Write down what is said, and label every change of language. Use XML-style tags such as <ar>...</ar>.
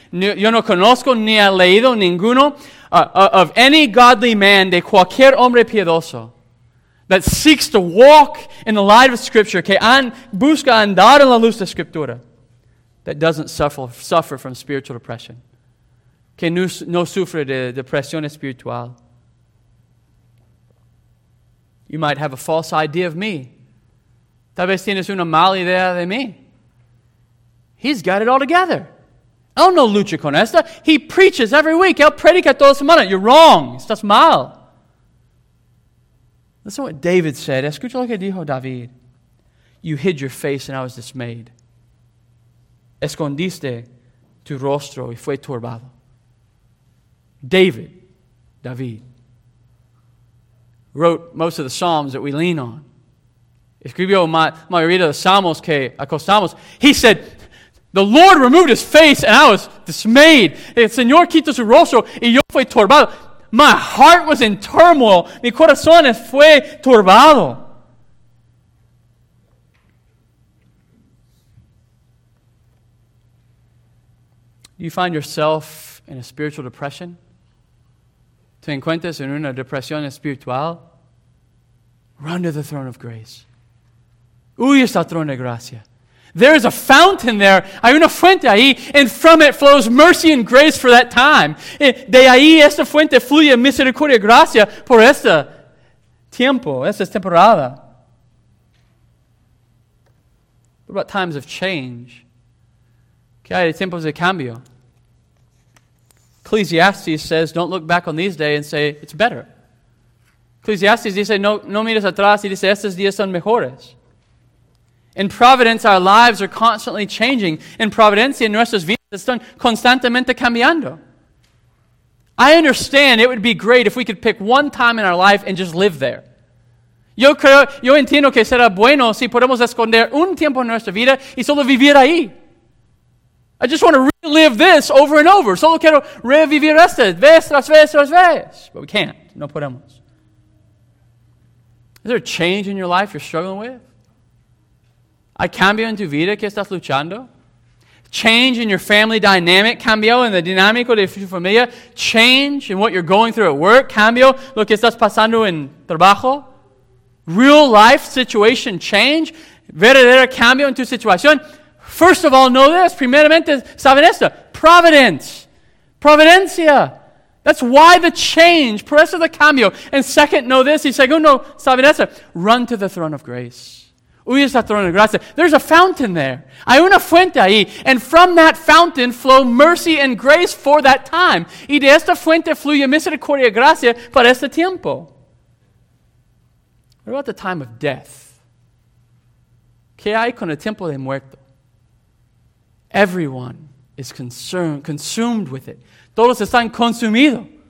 <es>Yo no conozco ni he leído ninguno</es> <en>of any godly man,</en> <es>de cualquier hombre piadoso,</es> <en>that seeks to walk in the light of Scripture,</en> <es>que busca andar en la luz de Escritura,</es> <en>that doesn't suffer from spiritual depression,</en> <es>que no sufre de depresión espiritual.</es> <en>You might have a false idea of me.</en> <es>Tal vez tienes una mala idea de mí.</es> <en>He's got it all together.</en> <es>Él no lucha con esto.</es> <en>He preaches every week.</en> <es>Él predica toda semana.</es> <en>You're wrong.</en> <es>Estás mal.</es> <en>Listen to what David said.</en> <es>Escucha lo que dijo David.</es> <en>You hid your face and I was dismayed.</en> <es>Escondiste tu rostro y fue turbado.</es> <en>David, wrote most of the Psalms that we lean on.</en> <es>Escribió mayoría de los Salmos que acostamos.</es> <en>He said, the Lord removed his face and I was dismayed.</en> <es>El Señor quitó su rostro y yo fui turbado.</es> <en>My heart was in turmoil.</en> <es>Mi corazón fue turbado.</es> <en>Do you find yourself in a spiritual depression?</en> <es>¿Te encuentras en una depresión espiritual?</es> <en>Run to the throne of grace.</en> <es>Huyes al trono de gracia.</es> <en>There is a fountain there,</en> <es>hay una fuente ahí,</es> <en>and from it flows mercy and grace for that time.</en> <es>De ahí esta fuente fluye misericordia y gracia por este tiempo, esta temporada.</es> <en>What about times of change?</en> <es>¿Qué hay de tiempos de cambio?</es> <en>Ecclesiastes says, don't look back on these days and say, it's better.</en> <es>Ecclesiastes dice, no mires atrás y dice, estos días son mejores.</es> <en>In providence, our lives are constantly changing.</en> <es>In providencia, nuestras vidas están constantemente cambiando.</es> <en>I understand it would be great if we could pick one time in our life and just live there.</en> <es>Yo entiendo que será bueno si podemos esconder un tiempo en nuestra vida y solo vivir ahí.</es> <en>I just want to relive this over and over.</en> <es>Solo quiero revivir esto vez tras vez tras vez.</es> <en>But we can't.</en> <es>No podemos.</es> <en>Is there a change in your life you're struggling with?</en> <es>¿Hay cambio en tu vida que estás luchando?</es> <en>Change in your family dynamic,</en> <es>cambio en la dinámica de tu familia,</es> <en>change in what you're going through at work,</en> <es>cambio lo que estás pasando en trabajo,</es> <en>real life situation change,</en> <es>verdadero cambio en tu situación.</es> <en>First of all, know this,</en> <es>primeramente, ¿saben esto?</es> <en>Providence, providencia. That's why the change,</en> <es>por eso el cambio.</es> <en>And second, know this,</en> <es>y segundo, ¿saben esto?</es> <en>Run to the throne of grace.</en> <es>Huyes al trono de gracia.</es> <en>There's a fountain there.</en> <es>Hay una fuente ahí.</es> <en>And from that fountain flow mercy and grace for that time.</en> <es>Y de esta fuente fluye misericordia y gracia para este tiempo.</es> <en>What about the time of death?</en> <es>¿Qué hay con el tiempo de muerto?</es> <en>Everyone is consumed with it.</en> <es>Todos están consumidos.</es>